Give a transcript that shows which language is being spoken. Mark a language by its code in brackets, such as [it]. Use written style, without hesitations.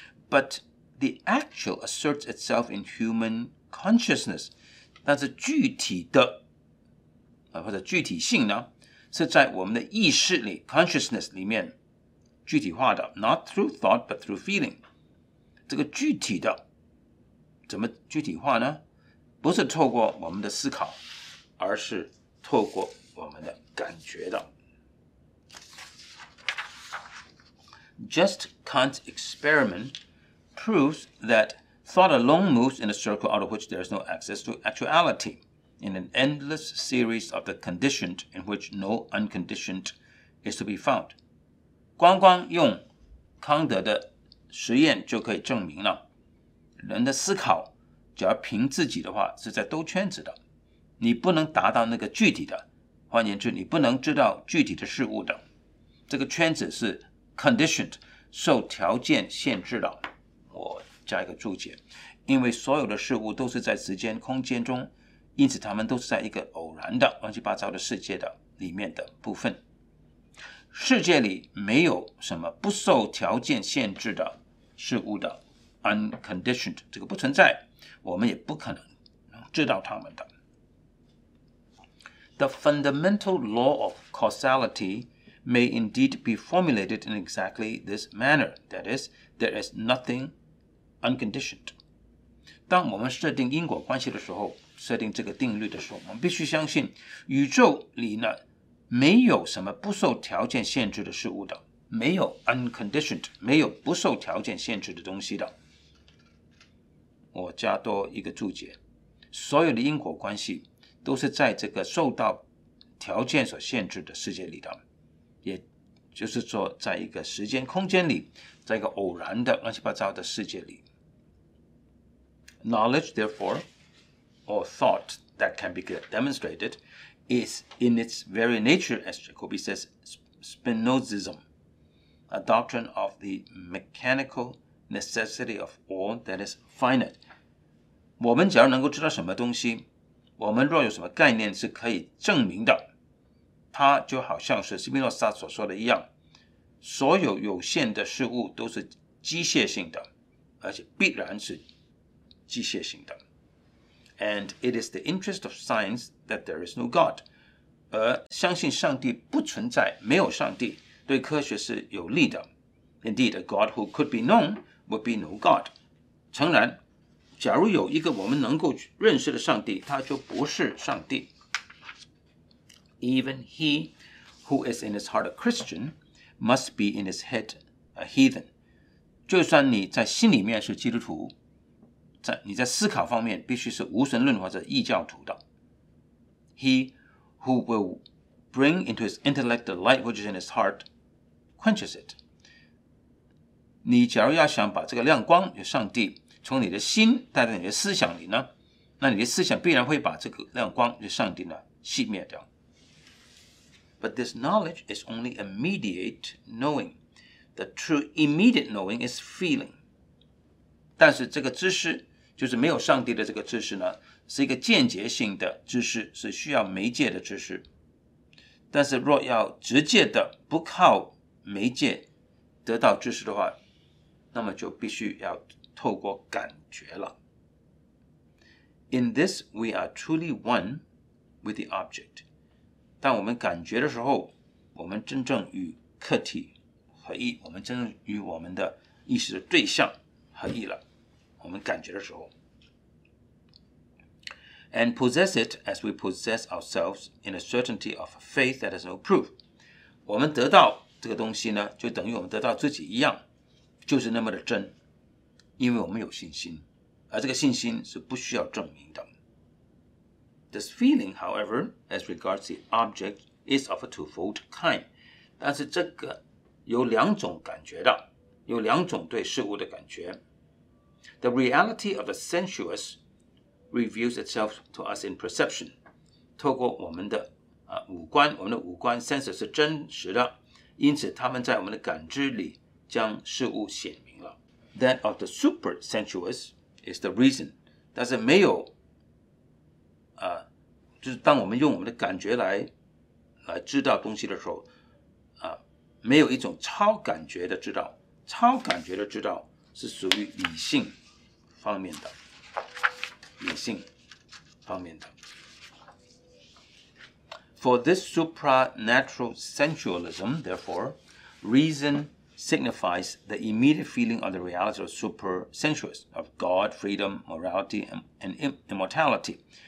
[en] But the actual asserts itself in human consciousness, [zh] 但是具体的或者具体性呢，是在我们的意识里 [en] consciousness [zh] 里面具体化的 [en] not through thought but through feeling. [zh] 这个具体的怎么具体化呢？不是透过我们的思考，而是透过我们的感觉的。 [en] Just Kant's experimentproves that thought alone moves in a circle out of which there is no access to actuality, in an endless series of the conditioned in which no unconditioned is to be found. [zh] 光光用康德的实验就可以证明了，人的思考只要凭自己的话是在兜圈子的，你不能达到那个具体的，换言之你不能知道具体的事物的，这个圈子是 conditioned, 受条件限制的。我加一个注解，因为所有的事物都是在时间空间中，因此它们都是在一个偶然的乱七八糟的世界的里面的部分。世界里没有什么不受条件限制的事物的 unconditioned, 这个不存在，我们也不可能知道它们的。 [en] The fundamental law of causality may indeed be formulated in exactly this manner, that is, there is nothingUnconditioned. [zh] 当我们设定因果关系的时候，设定这个定律的时候，我们必须相信宇宙里呢没有什么不受条件限制的事物的，没有 unconditioned, 没有不受条件限制的东西的。我加多一个注解，所有的因果关系都是在这个受到条件所限制的世界里的，也就是说在一个时间空间里，在一个偶然的乱七八糟的世界里。 [en] Knowledge, therefore, or thought that can be demonstrated, is in its very nature, as Jacobi says, Spinozism, a doctrine of the mechanical necessity of all that is finite. [zh] 我们只要能够知道什么东西，我们若有什么概念是可以证明的，它就好像是斯宾诺莎所说的一样，所有有限的事物都是机械性的，而且必然是机械性的。 [en] And it is the interest of science that there is no God. [zh] 而相信上帝不存在，没有上帝，对科学是有利的。 [en] Indeed, a God who could be known would be no God. [zh] 诚然，假如有一个我们能够认识的上帝，他就不是上帝。 [en] Even he who is in his heart a Christian must be in his head a heathen. [zh] 就算你在心里面是基督徒，你在思考方面必须是无神论或者异教徒的。 [en] He who will bring into his intellect the light which is in his heart quenches it. [zh] 你假如要想把这个亮光，有上帝，从你的心带到你的思想里呢，那你的思想必然会把这个亮光，就上帝呢，熄灭掉。 [en] But this knowledge is only immediate knowing. The true immediate knowing is feeling. [zh] 但是这个知识，就是没有上帝的这个知识呢，是一个间接性的知识，是需要媒介的知识。但是若要直接的，不靠媒介得到知识的话，那么就必须要透过感觉了。 [en] In this, we are truly one with the object. [zh] 当我们感觉的时候，我们真正与客体合一，我们真正与我们的意识的对象合一了。我们感觉的时候。 [en] And possess it as we possess ourselves in a certainty of a faith that has no proof. [zh] 我们得到这个东西呢，就等于我们得到自己一样，就是那么的真。因为我们有信心，而这个信心是不需要证明的。 [en] This feeling, however, as regards the object, is of a twofold kind. [zh] 但是这个有两种感觉的，有两种对事物的感觉。 [en] The reality of the sensuous reveals itself to us in perception. [zh] 透过我们的五官，我们的五官 sensor 是真实的，因此他们在我们的感知里将事物显。 [en] That of the super sensuous is the reason. [zh] 但是没有就是当我们用我们的感觉来知道东西的时候没有一种超感觉的知道。超感觉的知道是属于理性方面的。理性方面的。 [en] For this supranatural sensualism, therefore, reason signifies the immediate feeling of the reality of super-sensuous, of God, freedom, morality, and immortality.